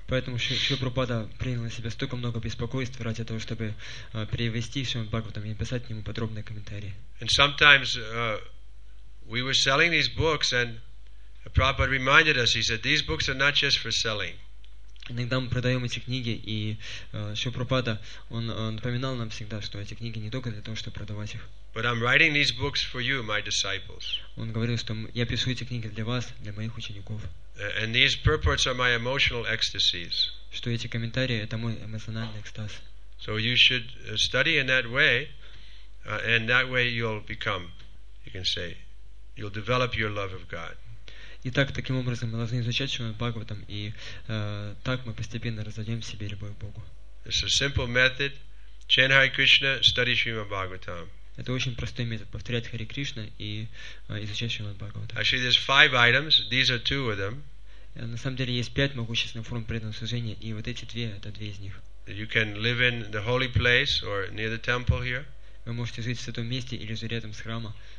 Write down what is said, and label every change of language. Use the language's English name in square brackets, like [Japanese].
[Russian] Поэтому Шрила Прабхупада принял на себя столько много беспокойств ради того, чтобы перевести Шримад Бхагаватам и написать ему подробные комментарии. [English] And sometimes we were selling these books, and Prabhupada reminded us. He said, "These books are not just for selling." [Russian] Иногда мы продаем эти книги, и Шрила Прабхупада он напоминал нам всегда, что эти книги не только для того, чтобы продавать их. [English] But I'm writing these books for you, my disciples. [Russian] Он говорил, что я пишу эти книги для вас, для моих учеников. [English] And these purports are my emotional ecstasies. [Russian] Что эти комментарии — это мой эмоциональный экстаз. [English] So you should study in that way, and that way you'll become, you can say, you'll develop your love of God. [Russian] Итак, таким образом мы должны изучать Шримад Бхагаватам, и так мы постепенно разовьем в себе любовь к Богу. [English] It's a simple method. Chant Hare Krishna, study Srimad Bhagavatam. [Russian] Это очень простой метод — повторять Хари Кришна и изучать Шримад Бхагаватам. [English] Actually, there's five items. These are two of them. [Russian] На самом деле есть пять могущественных форм преданного служения, и вот эти две — это две из них. [English] You can live in the holy place or near the temple here. [Russian] Вы можете жить в святом месте или же рядом с храмом.